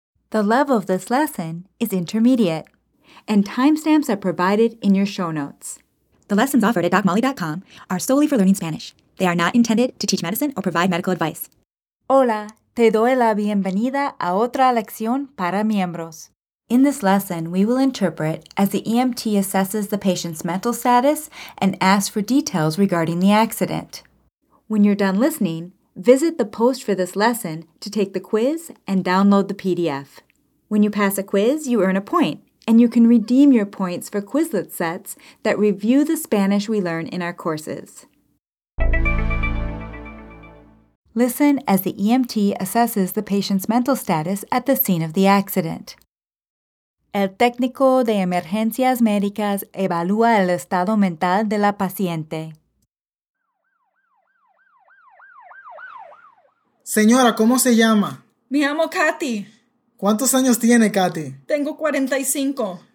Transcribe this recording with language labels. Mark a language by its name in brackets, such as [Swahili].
[English] The level of this lesson is intermediate, and timestamps are provided in your show notes. The lessons offered at DocMolly.com are solely for learning Spanish. They are not intended to teach medicine or provide medical advice. [Spanish] Hola, te doy la bienvenida a otra lección para miembros. [English] In this lesson, we will interpret as the EMT assesses the patient's mental status and asks for details regarding the accident. When you're done listening, visit the post for this lesson to take the quiz and download the PDF. When you pass a quiz, you earn a point, and you can redeem your points for Quizlet sets that review the Spanish we learn in our courses. Listen as the EMT assesses the patient's mental status at the scene of the accident. [Spanish] El técnico de emergencias médicas evalúa el estado mental de la paciente. Señora, ¿cómo se llama? Me llamo Katy. ¿Cuántos años tiene, Katy? Tengo 45.